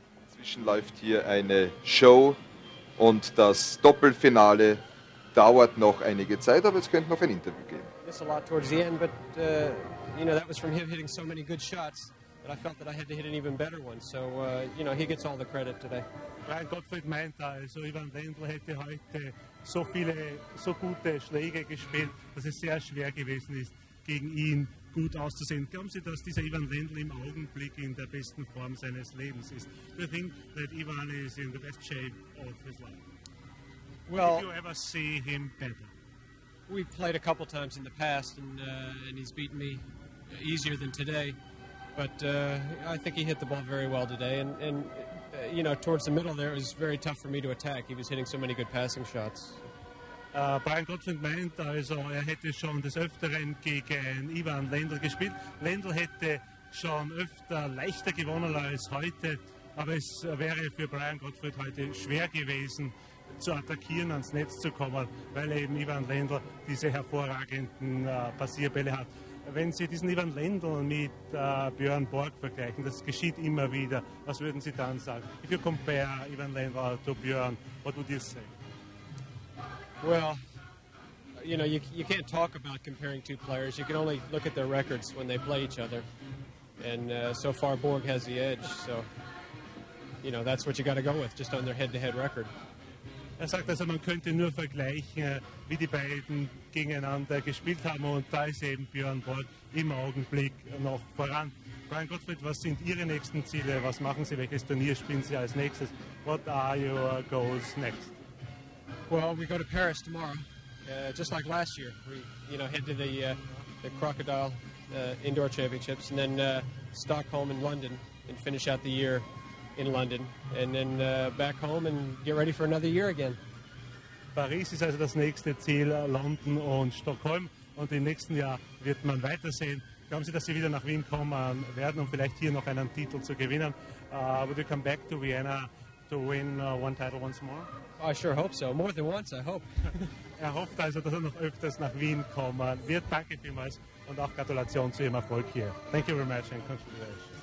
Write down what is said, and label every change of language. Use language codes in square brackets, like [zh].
[de] Inzwischen läuft hier eine Show und das Doppelfinale dauert noch einige Zeit, aber es könnte noch ein Interview geben. [en] Miss a lot towards the end, but you know that was from him hitting so many good shots that I felt that I had to hit an even better one. So you know he gets all the credit today. [de] Brian Gottfried meint also, Ivan Lendl hätte heute so viele so gute Schläge gespielt, dass es sehr schwer gewesen ist gegen ihn. Gut auszusehen. Glauben Sie, dass dieser Ivan Lendl im Augenblick in der besten Form seines Lebens ist? [en] Do you think that Ivan is in the best shape of his life? Well, did you ever see him better? We played a couple times in the past and he's beaten me easier than today. But I think he hit the ball very well today and you know, towards the middle there it was very tough for me to attack. He was hitting so many good passing shots. [de] Brian Gottfried meint also, er hätte schon des Öfteren gegen Ivan Lendl gespielt. Lendl hätte schon öfter leichter gewonnen als heute, aber es wäre für Brian Gottfried heute schwer gewesen, zu attackieren, ans Netz zu kommen, weil eben Ivan Lendl diese hervorragenden Passierbälle hat. Wenn Sie diesen Ivan Lendl mit Björn Borg vergleichen, das geschieht immer wieder, was würden Sie dann sagen? [en] If you compare Ivan Lendl to Björn, what would you say? Well, you know, you can't talk about comparing two players. You can only look at their records when they play each other. And so far, Borg has the edge, so. you know, that's what you got to go with, just on their head-to-head record. [de] Er sagt also, man könnte nur vergleichen, wie die beiden gegeneinander gespielt haben, und da ist eben Björn Borg im Augenblick noch voran. Brian Gottfried, was sind Ihre nächsten Ziele? Was machen Sie? Welches Turnier spielen Sie als nächstes? [en] What are your goals next? Well, we go to Paris tomorrow, just like last year. We, you know, head to the Crocodile Indoor Championships, and then Stockholm and London, and finish out the year in London, and then back home and get ready for another year again. [de] Paris ist also das nächste Ziel, London und Stockholm, und im nächsten Jahr wird man weitersehen. Glauben Sie, dass Sie wieder nach Wien kommen werden, um vielleicht hier noch einen Titel zu gewinnen? [en] Would you come back to Vienna to win one title once more? I sure hope so. More than once, I hope. [de] Er hofft also, dass er noch öfters nach Wien kommen wird. Danke vielmals und auch Gratulation zu Ihrem Erfolg hier. [en] Thank you very much and congratulations.